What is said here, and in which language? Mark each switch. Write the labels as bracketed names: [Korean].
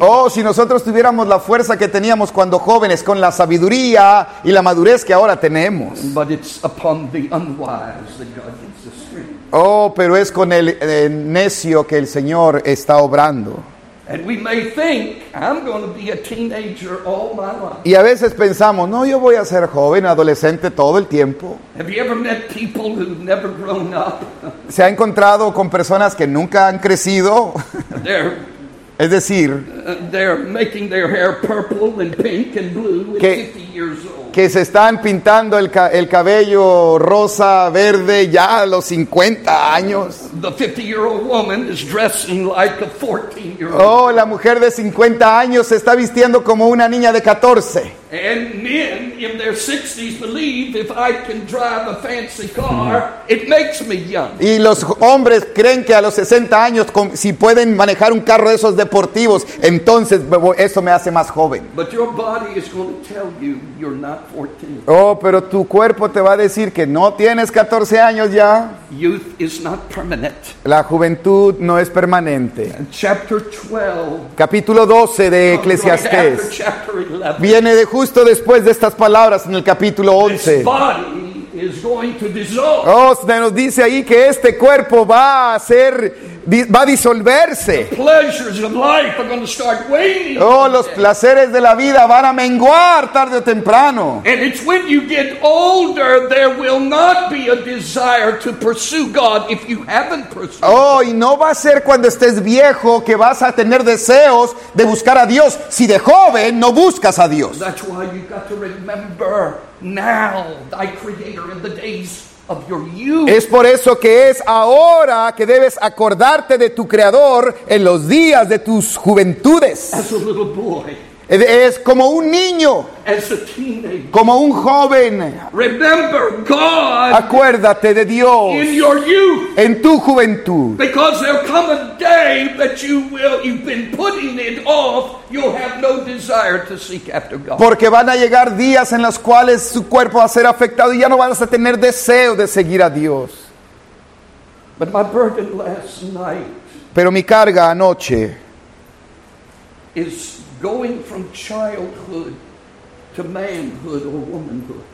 [Spanish] Si nosotros tuviéramos la fuerza que teníamos cuando jóvenes, con la sabiduría y la madurez que ahora tenemos. [English] But it's upon the unwise that God gives the strength. [Spanish] Oh, pero es con el necio que el Señor está obrando. [English] And we may think, I'm going to be a teenager all my life. [Spanish] Y a veces pensamos, no, yo voy a ser joven, adolescente todo el tiempo. [English] Have you ever met people who've never grown up? [Spanish] ¿Se ha encontrado con personas que nunca han crecido? Es decir, [English] they're making their hair purple and pink and blue at 50 years old. [Spanish] Que se están pintando el cabello rosa, verde, ya a los 50 años. [English] The 50-year-old woman is dressing like a 14-year-old. [Spanish] Oh, la mujer de 50 años se está vistiendo como una niña de 14. [English] And men in their 60s believe if I can drive a fancy car, it makes me young. [Spanish] Y los hombres creen que a los 60 años, si pueden manejar un carro de esos deportivos, entonces eso me hace más joven. [English] But your body is going to tell you you're not 14. [Spanish] Oh, pero tu cuerpo te va a decir que no tienes 14 años ya. [English] Youth is not permanent. [Spanish] La juventud no es permanente. [English] And chapter 12, [Spanish] capítulo 12 de Eclesiastés. [English] Right after chapter 11, [Spanish] viene de justo después de estas palabras en el capítulo 11. [English] This body is going to dissolve. [Spanish] Nos dice ahí que este cuerpo va a ser, va a disolverse. [English] The pleasures of life are going to start waning. [Spanish] Los placeres de la vida van a menguar tarde o temprano. [English] And it's when you get older there will not be a desire to pursue God if you haven't pursued. [Spanish] Y no va a ser cuando estés viejo que vas a tener deseos de buscar a Dios si de joven no buscas a Dios. [English] That's why you got to remember now thy creator in the days. [Spanish] Es por eso que es ahora que debes acordarte de tu Creador en los días de tus juventudes. [English] As a little boy. [Spanish] Es como un niño. [English] As a teenager. [Spanish] Como un joven. [English] Remember God. [Spanish] Acuérdate de Dios. [English] In your youth. [Spanish] En tu juventud. [English] Because there'll come a day that you've been putting it off. You'll have no desire to seek after God. [Spanish] Porque van a llegar días en los cuales su cuerpo va a ser afectado y ya no vas a tener deseo de seguir a Dios. [English] But my burden last night. [Spanish] Pero mi carga anoche. [English] Is going from childhood to manhood or womanhood.